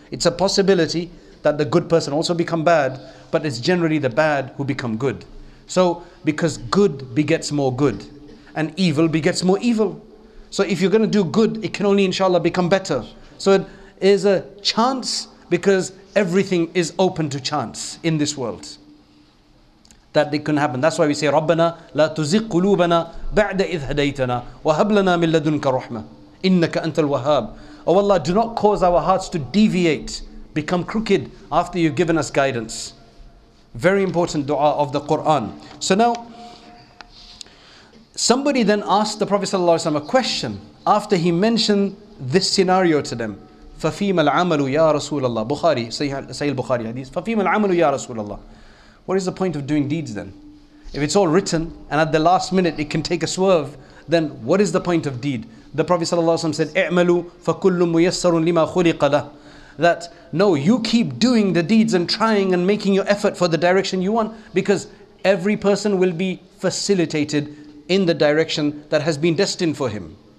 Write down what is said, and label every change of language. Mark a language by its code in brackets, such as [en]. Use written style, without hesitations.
[en] It's a possibility that the good person also become bad, but it's generally the bad who become good. So, because good begets more good, and evil begets more evil. So if you're going to do good, it can only, inshallah, become better. So it is a chance, because everything is open to chance in this world. That it can happen. That's why we say, [ar] رَبَّنَا لَا تُزِقْ قُلُوبَنَا بَعْدَ إِذْ هَدَيْتَنَا وَهَبْ لَنَا مِنْ لَدُنْكَ رَحْمَةً إِنَّكَ أَنْتَ الْوَهَّابُ. [en] Oh Allah, do not cause our hearts to deviate, become crooked after you've given us guidance. Very important dua of the Quran. So now, somebody then asked the Prophet ﷺ a question after he mentioned this scenario to them. [ar] فَفِيمَ الْعَمَلُ يَا رَسُولَ اللَّهِ [en] Bukhari, Sahih al-Bukhari hadith. [ar] فَفِيمَ الْعَمَلُ يَا رَسُولَ اللَّهِ [en] What is the point of doing deeds then? If it's all written and at the last minute it can take a swerve, then what is the point of deed? The Prophet ﷺ said, [ar] اِعْمَلُوا فَكُلُّ مُيَسَّرٌ لِمَا خُلِقَ لَهُ [en] That, no, you keep doing the deeds and trying and making your effort for the direction you want, because every person will be facilitated in the direction that has been destined for him.